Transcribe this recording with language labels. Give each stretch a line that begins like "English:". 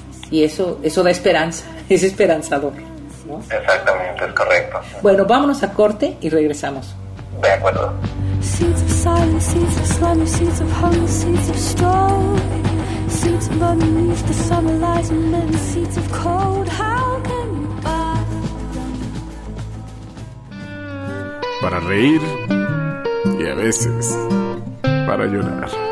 Spanish: Y eso da esperanza, es esperanzador, ¿no? Exactamente, es correcto. Bueno, vámonos a corte y regresamos. De acuerdo.
English: Seeds of silence, seeds of slumber, seeds of hunger, seeds of storm. Seeds of underneath the summer lies and then seeds of cold. How can you buy?
Spanish: Para reír y a veces para llorar.